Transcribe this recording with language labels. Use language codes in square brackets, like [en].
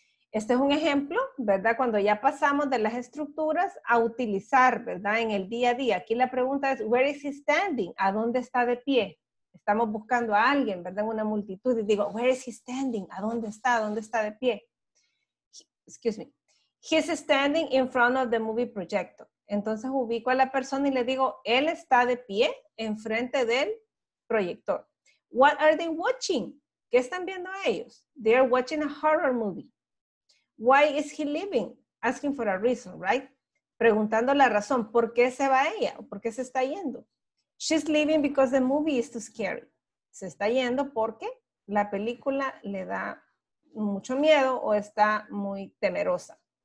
[es] Este es un ejemplo, ¿verdad? Cuando ya pasamos de las estructuras a utilizar, ¿verdad? En el día a día. Aquí la pregunta es, [en] where is he standing? [es] ¿A dónde está de pie? estamos buscando a alguien, ¿verdad? Una multitud. Y digo, [en] where is he standing? [es] ¿A dónde está? ¿Dónde está de pie? [en] Excuse me. He's standing in front of the movie projector. [es] Entonces ubico a la persona y le digo, él está de pie enfrente del proyector. [en] What are they watching? [es] ¿Qué están viendo ellos? [en] They are watching a horror movie. Why is he leaving? Asking for a reason, right? [es] Preguntando la razón, ¿por qué se va ella? ¿Por qué se está yendo? [en] She's leaving because the movie is too scary. [es] Se está yendo porque la película le da mucho miedo o está muy temerosa.